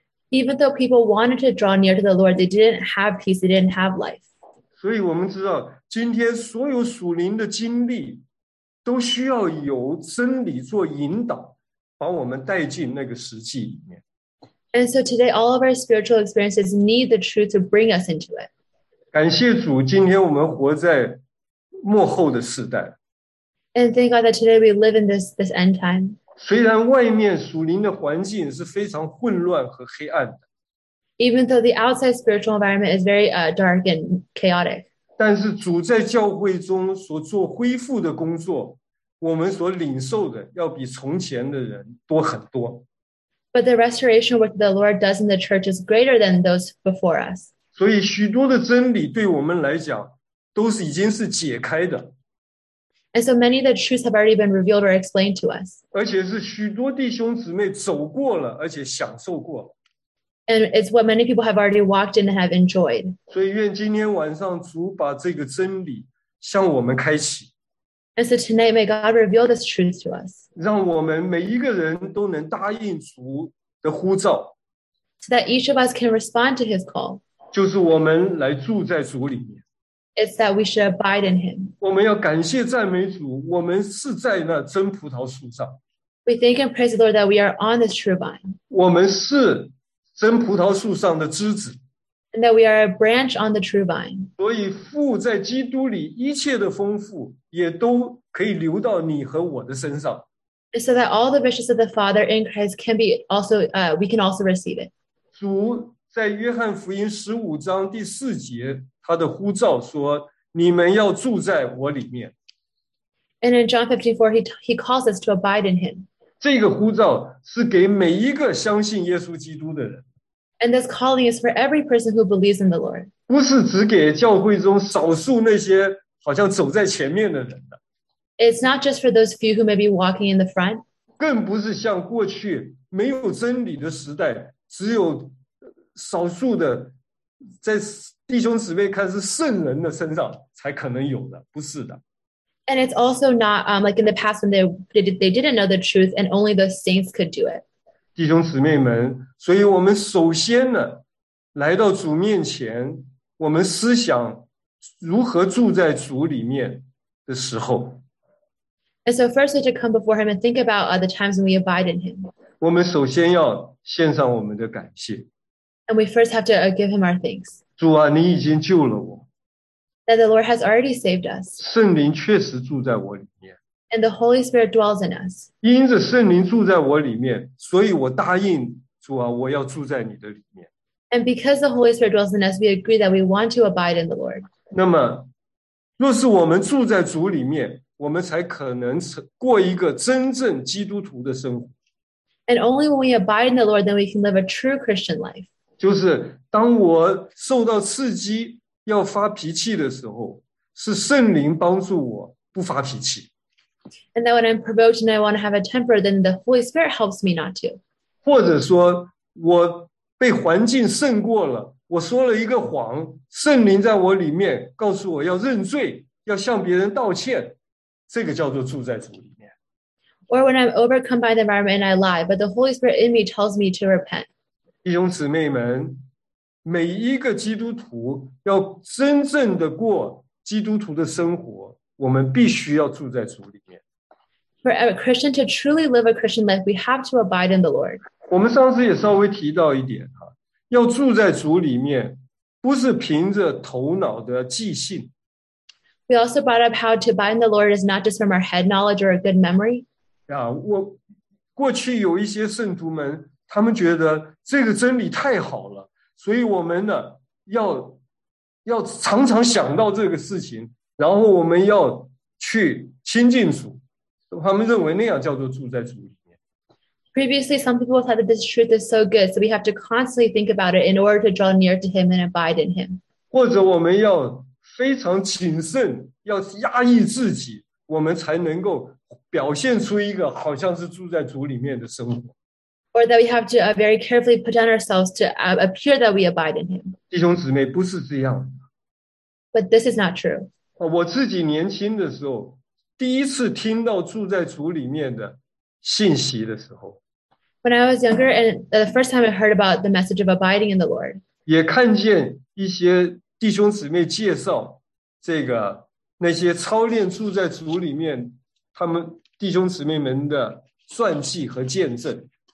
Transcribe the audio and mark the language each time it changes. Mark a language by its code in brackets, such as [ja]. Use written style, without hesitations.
[en] Even though people wanted to draw near to the Lord, they didn't have peace, they didn't have life. [zh] 所以我们知道，今天所有属灵的经历都需要有真理做引导。把我们带进那个实际里面。 [en] And so today, all of our spiritual experiences need the truth to bring us into it. [zh] 感谢主，今天我们活在末后的时代。 [en] And thank God that today we live in this end time. [zh] 虽然外面属灵的环境是非常混乱和黑暗的。 [en] Even though the outside spiritual environment is very dark and chaotic. [zh] 但是主在教会中所做恢复的工作我们所领受的要比从前的人多很多。 [en] But the restoration which the Lord does in the church is greater than those before us. [zh] 所以许多的真理对我们来讲都是已经是解开的。 [en] And so many of the truths have already been revealed or explained to us. [zh] 而且是许多弟兄姊妹走过了而且享受过了。 [en] And it's what many people have already walked in and have enjoyed. [zh] 所以愿今天晚上主把这个真理向我们开启。 [en] And so tonight, may God reveal this truth to us. [zh] 让我们每一个人都能答应主的呼召。 [en] So that each of us can respond to his call. [zh] 就是我们来住在主里面。 [en] It's that we should abide in him. [zh] 我们要感谢赞美主，我们是在那真葡萄树上。 [en] We thank and praise the Lord that we are on this true vine. [zh] 我们是真葡萄树上的枝子。 [en] And that we are a branch on the true vine. [zh] 所以父在基督里一切的丰富也都可以流到你和我的身上。 [en] So that all the riches of the Father in Christ can be also, we can also receive it. [zh] 主在约翰福音15章第4节他的呼召说你们要住在我里面。 [en] And in John 15:4, he calls us to abide in him. [zh] 这个呼召是给每一个相信耶稣基督的人。 [en] And this calling is for every person who believes in the Lord. [zh] 不是只给教会中少数那些好像走在前面的人的。 [en] It's not just for those few who may be walking in the front. [zh] 更不是像过去没有真理的时代，只有少数的在弟兄姊妹看是圣人的身上才可能有的，不是的。 [en] And it's also not like in the past when they didn't know the truth and only the saints could do it. [zh] 弟兄姊妹们，所以我们首先呢，来到主面前，我们思想如何住在主里面的时候。 [en] And so first we should come before him and think about the times when we abide in him. [zh] 我们首先要献上我们的感谢。 [en] And we first have to give him our thanks. [zh] 主啊，你已经救了我。 [en] That the Lord has already saved us. [zh] 圣灵确实住在我里面。 [en] And the Holy Spirit dwells in us. [zh] 因着圣灵住在我里面，所以我答应主啊，我要住在你的里面。 [en] And because the Holy Spirit dwells in us, we agree that we want to abide in the Lord. [zh] 那么，若是我们住在主里面，我们才可能过一个真正基督徒的生活。 [en] And only when we abide in the Lord, then we can live a true Christian life. [zh] 就是当我受到刺激要发脾气的时候，是圣灵帮助我不发脾气。 [en] And that when I'm provoked and I want to have a temper, then the Holy Spirit helps me not to. [zh] 或者说我被环境胜过了，我说了一个谎，圣灵在我里面告诉我要认罪，要向别人道歉，这个叫做住在主里面。 [en] Or when I'm overcome by the environment and I lie, but the Holy Spirit in me tells me to repent. [zh] 弟兄姊妹们，每一个基督徒要真正的过基督徒的生活，我们必须要住在主里面。 [en] For a Christian to truly live a Christian life, we have to abide in the Lord. [zh] 我们上次也稍微提到一点，要住在主里面，不是凭着头脑的记性。 [en] We also brought up how to abide in the Lord is not just from our head knowledge or a good memory. [zh] 我过去有一些圣徒们，他们觉得这个真理太好了，所以我们呢，要常常想到这个事情，然后我们要去亲近主，他们认为那样叫做住在主里面。 [en] Previously, some people thought that this truth is so good, so we have to constantly think about it in order to draw near to Him and abide in Him. [zh] 或者我们要非常谨慎，要压抑自己，我们才能够表现出一个好像是住在主里面的生活。 [en] Or that we have to very carefully put down ourselves to appear that we abide in Him. [zh] 弟兄姊妹，不是这样。 [en] But this is not true. [zh] 我自己年轻的时候，第一次听到住在主里面的信息的时候。 [en] When I was younger, and the first time I heard about the message of abiding in the Lord. [zh] 也看见一些弟兄姊妹介绍这个那些操练住在主里面他们弟兄姊妹们的传记和见证。